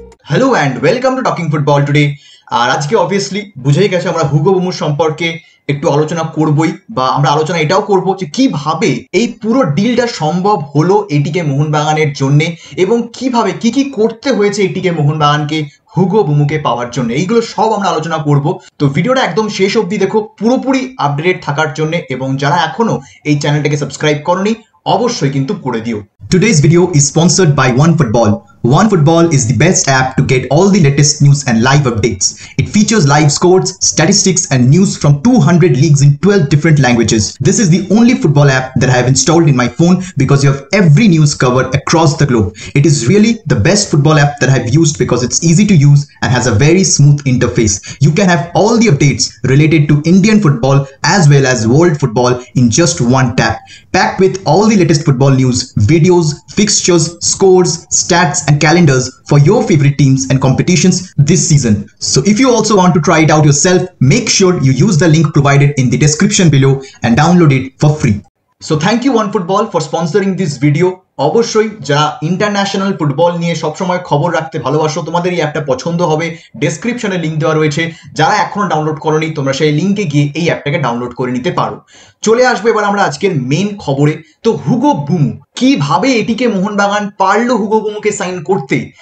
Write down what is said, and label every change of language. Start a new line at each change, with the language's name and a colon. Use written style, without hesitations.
English: Hello and welcome to talking football today.
Bangla: আর আজকে obviously বুঝেই গেছে আমরা হুগো বোমুর সম্পর্কে একটু আলোচনা করবই, বা আমরা আলোচনা এটাও করব যে কিভাবে এই পুরো ডিলটা সম্ভব হলো এটিকে মোহনবাগানের জন্য, এবং কিভাবে কি কি করতে হয়েছে এটিকে মোহনবাগানকে হুগো বোমুকে পাওয়ার জন্য, এইগুলো সব আমরা আলোচনা করব। তো ভিডিওটা একদম শেষ অবধি দেখো পুরোপুরি আপডেটেড থাকার জন্য, এবং যারা এখনো এই চ্যানেলটাকে সাবস্ক্রাইব করনি অবশ্যই কিন্তু করে দিও।
English: Today's video is sponsored by One Football. One Football is the best app to get all the latest news and live updates. It features live scores, statistics and news from 200 leagues in 12 different languages. This is the only football app that I have installed in my phone because you have every news covered across the globe. It is really the best football app that I have used because it's easy to use and has a very smooth interface. You can have all the updates related to Indian football as well as world football in just one tap. Packed with all the latest football news, videos, fixtures, scores, stats and calendars for your favorite teams and competitions this season. So if you also want to try it out yourself, make sure you use the link provided in the description below and download it for free. So thank you One Football for sponsoring this video.
Bangla: অবশ্যই যারা international football নিয়ে সবসময় খবর রাখতে ভালোবাসো তোমাদের এই অ্যাপটা পছন্দ হবে। ডেসক্রিপশনে লিংক দেওয়া রয়েছে, যারা এখনো ডাউনলোড করনি তোমরা সেই লিঙ্কে গিয়ে এই অ্যাপটাকে ডাউনলোড করে নিতে পারো। চলে আসবো এবার আমরা আজকের মেইন খবরে। তো হুগো বোমু কিভাবে এটিকে মোহনবাগান পারলো হুগো বোমুকে সাইন করতে?